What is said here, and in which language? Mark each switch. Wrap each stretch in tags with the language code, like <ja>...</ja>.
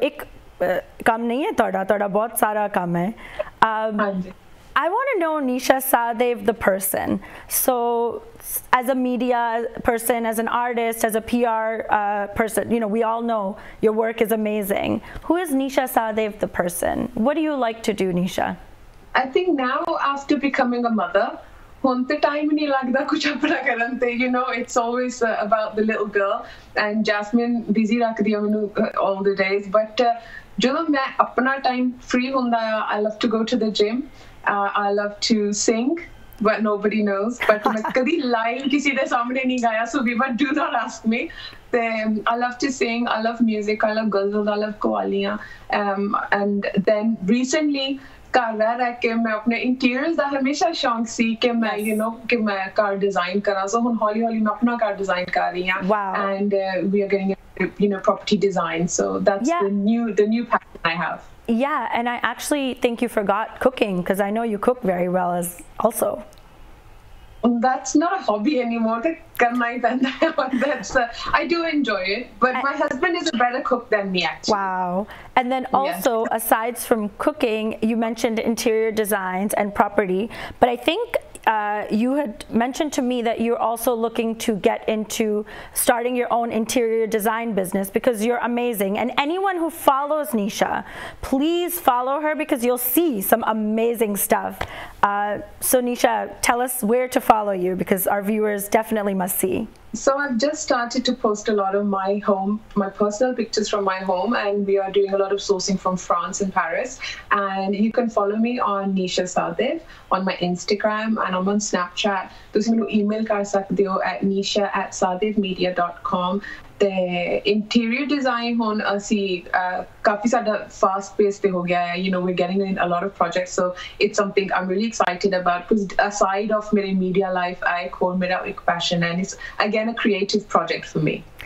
<hi>Ek kaam nahi hai thoda, thoda bahut sara kaam hai.</hi> <en>I want to know Nisha Sehdev the person. So as a media person, as an artist, as a PR person, you know, we all know your work is amazing. Who is Nisha Sehdev the person? What do you like to do, Nisha? I think now after becoming a mother,</en> <pa>ਹੁਣ ਤੇ time ਨਹੀਂ ਲੱਗਦਾ ਕੁਝ ਆਪਣਾ ਕਰਨ ਤੇ</pa> <en>you know it's always about the little girl and Jasmine</en> <pa>busy ਰੱਖਦੀ ਆ ਮੈਨੂੰ</pa> <en>all the days but</en> <pa>ਜਦੋਂ ਮੈਂ ਆਪਣਾ ਟਾਈਮ ਫ੍ਰੀ ਹੁੰਦਾ ਆ</pa> <en>I love to go to the gym I love to sing but nobody knows but</en> <pa>ਮੈਂ ਕਦੀ ਲਾਈਨ ਕਿਸੇ ਦੇ ਸਾਹਮਣੇ ਨਹੀਂ ਗਾਇਆ ਸੋ ਵੀ</pa> <en>but do not ask me ਤੇ I love to sing I love music I love ghazals I love ਕਵਾਲੀਆਂ and then recently</en> <pa>ਘਰ ਰਹਿ ਰਹਿ ਕੇ ਮੈਂ ਆਪਣੇ ਇੰਟੀਰੀਅਰ ਦਾ ਹਮੇਸ਼ਾ ਸ਼ੌਂਕ ਸੀ ਕਿ ਮੈਂ</pa> <en>you know</en> <pa>ਕਿ ਮੈਂ ਘਰ ਡਿਜ਼ਾਈਨ ਕਰਾਂ ਸੋ ਹੁਣ ਹੌਲੀ ਹੌਲੀ ਮੈਂ ਆਪਣਾ ਘਰ ਡਿਜ਼ਾਈਨ ਕਰ ਰਹੀ ਹਾਂ</pa> <en>And we are getting you know property design so that's the new passion I have yeah and I actually think you forgot cooking because I know you cook very well as also That's not a hobby anymore. I do enjoy it, but my husband is a better cook than me, actually. Wow. And then also, yes. Aside from cooking, you mentioned interior designs and property, but I think you had mentioned to me that you're also looking to get into starting your own interior design business because you're amazing. And anyone who follows Nisha, please follow her because you'll see some amazing stuff. So Nisha, tell us where to follow you because our viewers definitely must see. So I've just started to post a lot of my home, my personal pictures from my home, and we are doing a lot of sourcing from France and Paris. And you can follow me on Nisha Sehdev on my Instagram, and I'm on Snapchat.</en> <pa>Tusi mainu email kar sakde ho</pa> <en>at nisha@sehdevmedia.com.</en> <pa>ਤੇ interior design ਹੁਣ ਅਸੀਂ ਕਾਫੀ ਸਾਡਾ fast ਪੇਸ ਤੇ ਹੋ ਗਿਆ ਹੈ</pa> <en>you know we getting in a lot of projects so it's something I am really excited about because a side of ਮੇਰੇ media life ਆਈ ਕੋਲ ਮੇਰਾ ਇੱਕ passion and it's again a creative project for me</en>